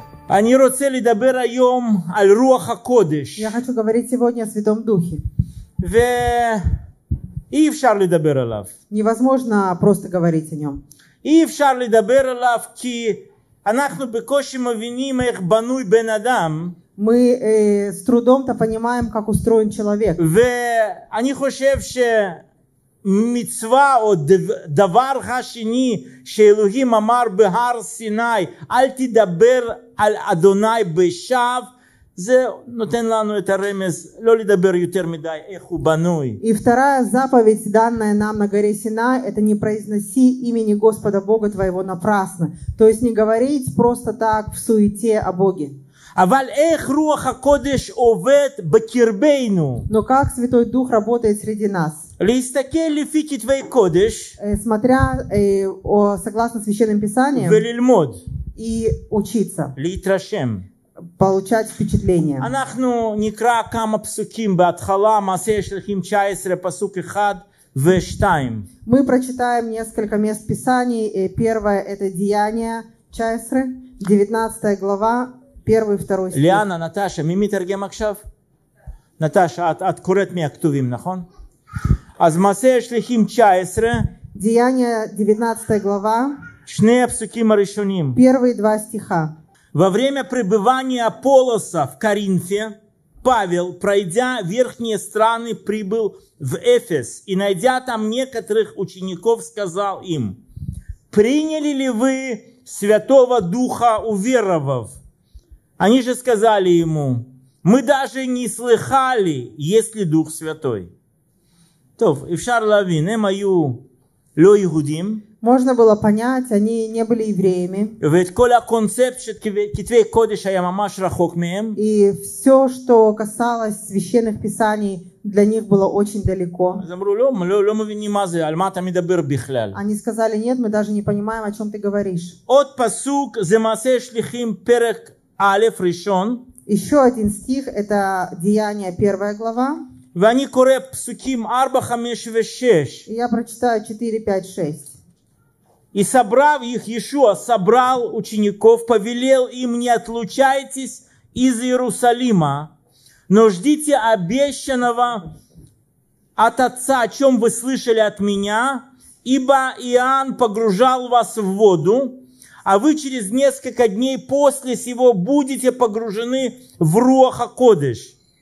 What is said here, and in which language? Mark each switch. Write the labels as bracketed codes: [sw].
[he] אני רוצה לדבר היום על רוח הקודש. [ru] Я хочу говорить сегодня о Святом Духе. [he] ואי אפשר לדבר עליו. [ru] Невозможно просто говорить о нем. [he] אי אפשר לדבר עליו כי אנחנו בקושי מבינים איך בנוי בן אדם. [ru] Мы с трудом-то понимаем, как устроен человек. [he] ואני חושב ש מצווה או דבר השני שאלוהים אמר בהר סיני, אל תדבר על אדוני בשב, זה נותן לנו את הרמז, לא לדבר יותר מדי איך הוא בנוי. [ru] И вторая заповедь, данная нам на горе Синай, это не произноси имени Господа Бога твоего напрасно. То есть не говорить просто так в суете о Боге. [he] אבל איך רוח הקודש עובד בקרבנו? [ru] Но как Святой Дух работает среди нас? [he] להסתכל לפי כתבי קודש, [ru] смотря согласно священным писаниям, [he] וללמוד, [ru] и учиться, [he] להתרשם, [ru] получать впечатление. [he] אנחנו נקרא כמה פסוקים בהתחלה, מעשה שלכים 19, פסוק 1 ו-2. [ru] Мы прочитаем несколько мест писаний. Первое это Деяния Чайсры, 19 глава, 1-2 стих. [he] Лиана, Наташа, מי מתרגם עכשיו? Наташа, את קוראת מהכתובים, נכון? אז מעשה שליחים 19, [ru] Деяния 19 глава, [he] שני הפסוקים הראשונים, [ru] 1-2 стиха. Во время пребывания Аполлоса в Коринфе, Павел, пройдя верхние страны, прибыл в Эфес, и, найдя там некоторых учеников, сказал им: «Приняли ли вы Святого Духа, уверовав?» Они же сказали ему: «Мы даже не слыхали, есть ли Дух Святой». [he] טוב, אפשר להבין, הם היו לא יהודים. [ru] Можно было понять, они не были евреями. [he] Ведь כל הקונספט של כתבי קודש היה ממש רחוק מהם. [ru] И все, что касалось священных писаний, для них было очень далеко. [he] אז אמרו, לא מבינים מה זה, על מה אתה מדבר בכלל. [ru] Они сказали, нет, мы даже не понимаем, о чем ты говоришь. [he] עוד פסוק, זה מעשה שליחים, פרק א', ראשון. [ru] Еще один стих, это Деяния, первая глава. [he] ואני קורא פסוקים 4, 5 ו-6. [ru] Я прочитаю 4, 5, 6. И собрав их, Иешуа собрал учеников, повелел им: не отлучайтесь из Иерусалима, но ждите обещанного от Отца, о чем вы слышали от меня, ибо Иоанн погружал вас в воду, а вы через несколько дней после сего будете погружены в Руах Акодеш.